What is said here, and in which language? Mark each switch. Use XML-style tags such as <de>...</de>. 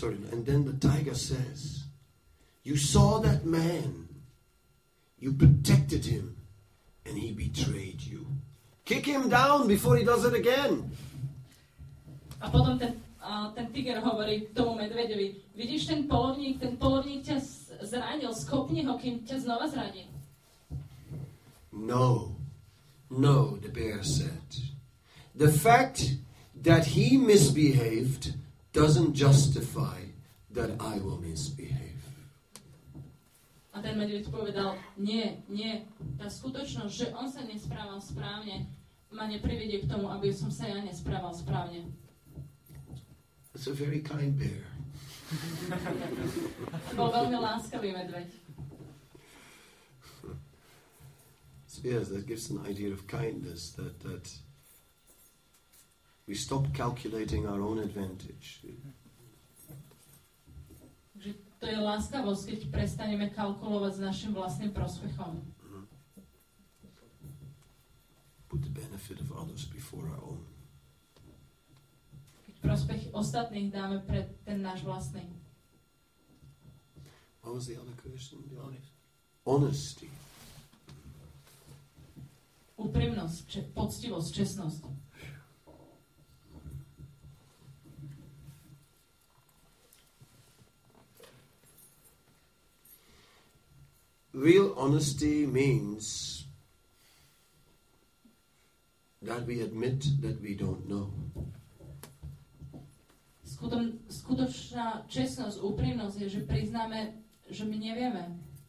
<en>And then the tiger says, you saw that man, you protected him, and he betrayed you. Kick him down before he does it again.</en> <sk>A potom ten tiger hovorí tomu medveďovi, vidíš ten polovník ťa zranil, skopni ho, kým ťa znova zraní.</sk> <en>No, the bear said. The fact that he misbehaved doesn't justify that I will misbehave.</en> <sk>A ten medveď povedal, nie, tá skutočnosť, že on sa nesprával správne, ma neprivedie k tomu, aby som sa ja nesprával správne.</sk> <en>It's a very kind bear.</en> <sk>Bol veľmi láskavý medveď.</sk> <en>Yes, that gives an idea of kindness, that we stop calculating our own advantage.</en> <sk>Že to je láskavosť, keď prestaneme kalkulovať s našim vlastným prospechom.</sk> <en>Put the benefit of others before our own.</en> <sk>Keď prospech ostatných dáme pred ten náš vlastný.</sk> <en>What was the other question? Honesty.</en> <sk>Úprimnosť, poctivosť, čestnosť.</sk> <en>Real honesty means that we admit that we don't know.</en> <sk>Skutočná čestnosť, úprimnosť je, že priznáme, že my nevieme.</sk>